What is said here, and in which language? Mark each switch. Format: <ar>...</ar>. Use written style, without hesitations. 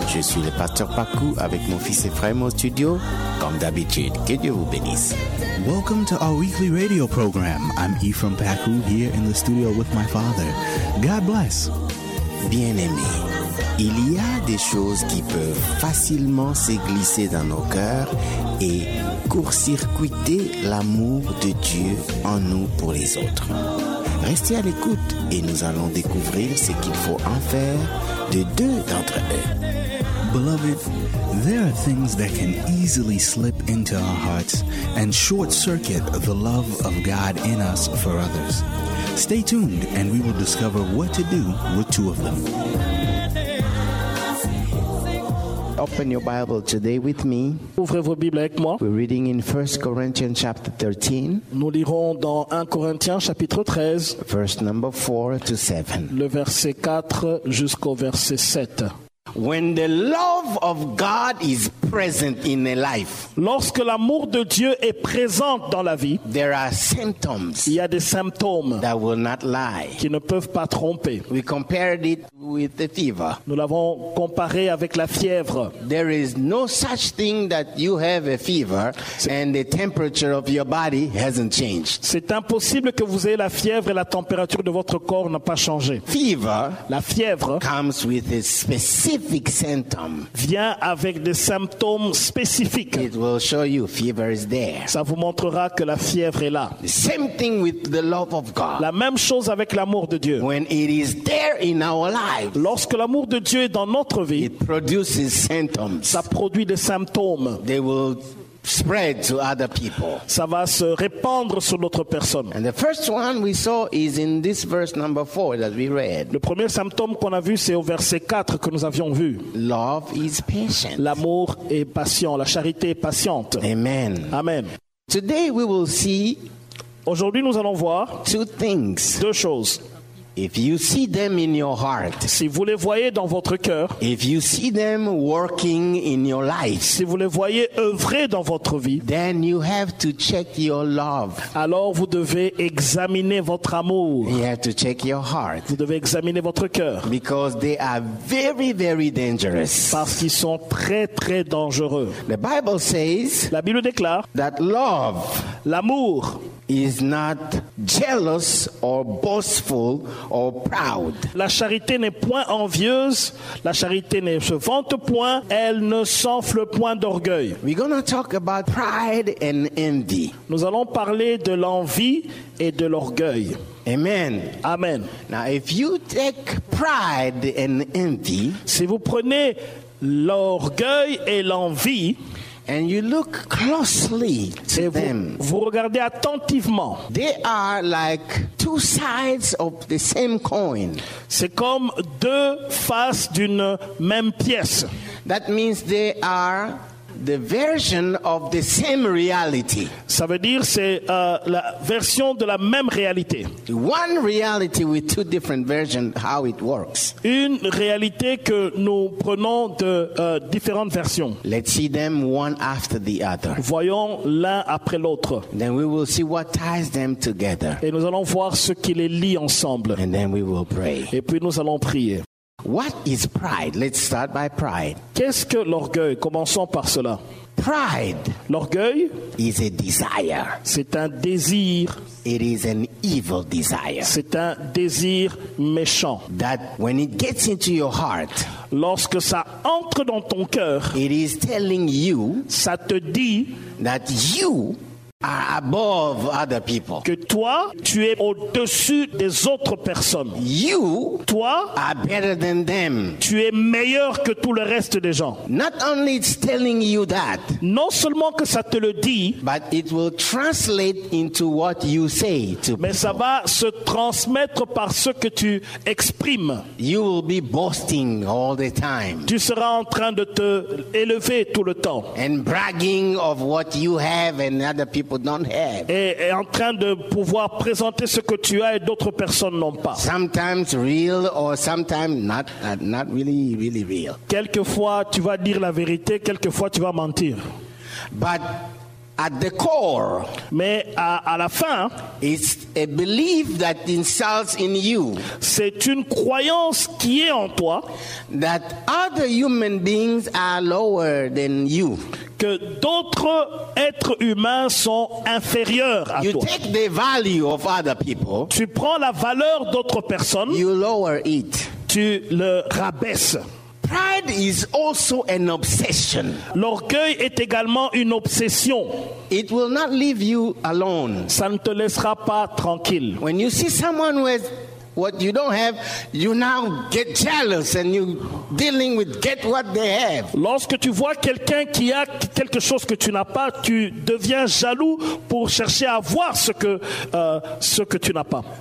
<fr>Je suis le pasteur Pakou avec mon fils Ephraim au studio. Comme d'habitude, que Dieu vous bénisse.</fr> <en>Welcome to our weekly radio program. I'm Ephraim Pakou here in the studio with my father. God bless.</en> <fr>Bien-aimé, il y a des choses qui peuvent facilement se glisser dans nos cœurs et court-circuiter l'amour de Dieu en nous pour les autres. Restez à l'écoute et nous allons découvrir ce qu'il faut en faire de deux d'entre eux.</fr> <en>Beloved, there are things that can easily slip into our hearts and short-circuit the love of God in us for others. Stay tuned and we will discover what to do with two of them. Open your Bible today with me.</en> <fr>Ouvrez vos Bibles avec moi.</fr> <en>We're reading in 1 Corinthians chapter 13.</en> <fr>Nous lirons dans 1 Corinthiens chapitre 13.</fr> <en>Verse number 4 to 7.</en> <fr>Le verset 4 jusqu'au verset 7.</fr> <en>When the love of God is present in a life,</en> <fr>lorsque l'amour de Dieu est présent dans la vie,</fr> <en>there are symptoms,</en> <fr>il y a des symptômes</fr> <en>that will not lie,</en> <fr>qui ne peuvent pas tromper.</fr> <en>We compared it with the fever.</en> <fr>Nous l'avons comparé avec la fièvre.</fr> <en>There is no such thing that you have a fever and the temperature of your body hasn't changed.</en> <fr>C'est impossible que vous ayez la fièvre et la température de votre corps n'a pas changé.</fr> <en>Fever,</en> <fr>la fièvre,</fr> <en>comes with a specific symptom.</en> <fr>Vient avec des symptômes spécifiques.</fr> <en>It will show you fever is there.</en> <fr>Ça vous montrera que la fièvre est là.</fr> <en>The same thing with the love of God.</en> <fr>La même chose avec l'amour de Dieu.</fr> <en>When it is there in our lives,</en> <fr>lorsque l'amour de Dieu est dans notre vie,</fr> <en>it produces symptoms.</en> <fr>Ça produit des symptômes.</fr> <en>They will spread to other people.</en> <fr>Ça va se répandre sur d'autres personnes.</fr> <en>And the first one we saw is in this verse number 4 that we read.</en> <fr>Le premier symptôme qu'on a vu, c'est au verset 4 que nous avions vu.</fr> <en>Love is patient.</en> <fr>L'amour est patient, la charité est patiente.</fr> <en>Amen.</en> <fr>Amen.</fr> <en>Today we will see,</en> <fr>aujourd'hui nous allons voir,</fr> <en>two things.</en> <fr>Deux choses.</fr> <en>If you see them in your heart,</en> <fr>si vous les voyez dans votre cœur,</fr> <en>if you see them working in your life,</en> <fr>si vous les voyez œuvrer dans votre vie,</fr> <en>then you have to check your love.</en> <fr>Alors vous devez examiner votre amour.</fr> <en>You have to check your heart.</en> <fr>Vous devez examiner votre cœur.</fr> <en>Because they are very, very dangerous.</en> <fr>Parce qu'ils sont très, très dangereux.</fr> <en>The Bible says,</en> <fr>la Bible déclare,</fr> <en>that love,</en> <fr>l'amour,</fr> <en>is not jealous or boastful or proud.</en> <fr>La charité n'est point envieuse, la charité ne se vante point, elle ne s'enfle point d'orgueil.</fr> <en>We're going to talk about pride and envy.</en> <fr>Nous allons parler de l'envie et de l'orgueil.</fr> <en>Amen.</en> <fr>Amen.</fr> <en>Now if you take pride and envy,</en> <fr>si vous prenez l'orgueil et l'envie,</fr> <en>and you look closely to</en> <fr>et</fr> <en>them.</en> <fr>Vous regardez attentivement.</fr> <en>They are like two sides of the same coin.</en> <fr>C'est comme deux faces d'une même pièce.</fr> <en>That means they are the version of the same reality.</en> <fr>Ça veut dire c'est la version de la même réalité.</fr> <en>One reality with two different versions, how it works.</en> <fr>Une réalité que nous prenons de différentes versions.</fr> <en>Let's see them one after the other.</en> <fr>Voyons l'un après l'autre.</fr> <en>Then we will see what ties them together.</en> <fr>Et nous allons voir ce qui les lie ensemble.</fr> <en>And then we will pray.</en> <fr>Et puis nous allons prier.</fr> <en>What is pride? Let's start by pride.</en> <fr>Qu'est-ce que l'orgueil? Commençons par cela.</fr> <en>Pride.</en> <fr>L'orgueil</fr> <en>is a desire.</en> <fr>C'est un désir.</fr> <en>It is an evil desire.</en> <fr>C'est un désir méchant.</fr> <en>That when it gets into your heart,</en> <fr>lorsque ça entre dans ton cœur,</fr> <en>it is telling you,</en> <fr>ça te dit,</fr> <en>that you are above other people.</en> <fr>Que toi, tu es au-dessus des autres personnes.</fr> <en>You,</en> <fr>toi,</fr> <en>are better than them.</en> <fr>Tu es meilleur que tout le reste des gens.</fr> <en>Not only it's telling you that.</en> <fr>Non seulement que ça te le dit,</fr> <en>but it will translate into what you say to people.</en> <fr>Mais ça va se transmettre par ce que tu exprimes.</fr> <en>You will be boasting all the time.</en> <fr>Tu seras en train de te élever tout le temps.</fr> <en>And bragging of what you have and other people don't have.</en> <fr>Et en train de pouvoir présenter ce que tu as et d'autres personnes n'ont pas.</fr> <en>Sometimes real or sometimes not really, really real.</en> <fr>Quelquefois tu vas dire la vérité, quelquefois tu vas mentir.</fr> <en>But at the core,</en> <fr>mais à la fin,</fr> <en>it's a belief that instills in you.</en> <fr>C'est une croyance qui est en toi.</fr> <en>That other human beings are lower than you.</en> <fr>Que d'autres êtres humains sont inférieurs à</fr> <en>you</en> <fr>toi.</fr> <en>You take the value of other people.</en> <fr>Tu prends la valeur d'autres personnes.</fr> <en>You lower it.</en> <fr>Tu le rabaisses.</fr> <en>Pride is also an obsession.</en> <fr>L'orgueil est également une obsession.</fr> <en>It will not leave you alone.</en> <fr>Ça ne te laissera pas tranquille.</fr> <en>When you see someone with what you don't have, you now get jealous and you dealing with get what they have.</en> <fr>Lorsque tu vois quelqu'un qui a quelque chose que tu n'as pas, tu deviens jaloux pour chercher à avoir ce que tu n'as pas.</fr>